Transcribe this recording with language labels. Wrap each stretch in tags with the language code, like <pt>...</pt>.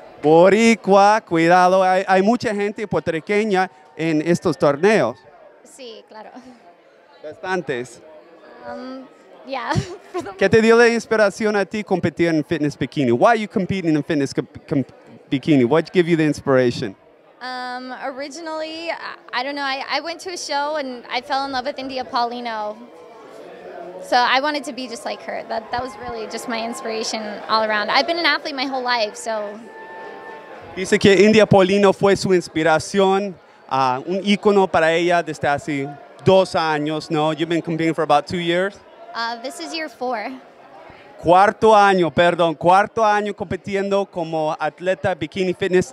<es>Boricua, cuidado, hay mucha gente puertorriqueña en estos torneos. Sí, claro. Bastantes.</es> <en>Yeah.</en> <es>¿Qué te dio la inspiración a ti competir en fitness bikini?</es> <en>Why are you competing in fitness bikini? What gave you the inspiration? Originally, I don't know, I went to a show and I fell in love with India Paulino. So I wanted to be just like her. That was really just my inspiration all around. I've been an athlete my whole life, so.</en> <es>Dice que India Paulino fue su inspiración, un ícono para ella desde hace 2 años, ¿no?</es> <en>You've been competing for about 2 years? This is year 4.</en> <es>Cuarto año competiendo como atleta bikini fitness.</es>